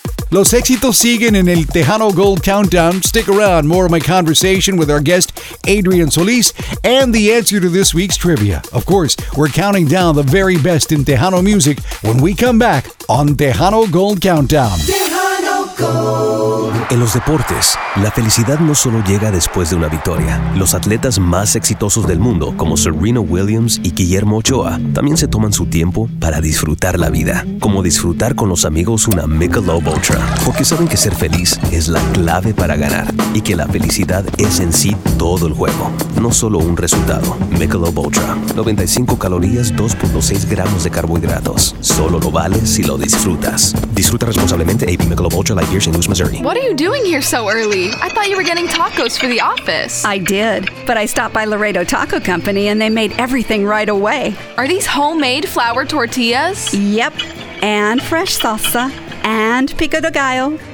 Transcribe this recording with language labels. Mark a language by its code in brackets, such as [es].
[es] Los éxitos siguen en el Tejano Gold Countdown. [en] Stick around, more of my conversation with our guest Adrian Solis and the answer to this week's trivia. Of course, we're counting down the very best in Tejano music when we come back on Tejano Gold Countdown. Tejano Gold. [es] En los deportes, la felicidad no solo llega después de una victoria. Los atletas más exitosos del mundo, como Serena Williams y Guillermo Ochoa, también se toman su tiempo para disfrutar la vida. Como disfrutar con los amigos una Michelob Ultra. Porque saben que ser feliz es la clave para ganar. Y que la felicidad es en sí todo el juego. No solo un resultado. Michelob Ultra. 95 calorías, 2.6 gramos de carbohidratos. Solo lo vale si lo disfrutas. Disfruta responsablemente AP Michelob Ultra Light Beer, St. Louis, Missouri. [en] What are you doing here so early? I thought you were getting tacos for the office. I did, but I stopped by Laredo Taco Company and they made everything right away. Are these homemade flour tortillas? Yep, and fresh salsa, and pico de gallo.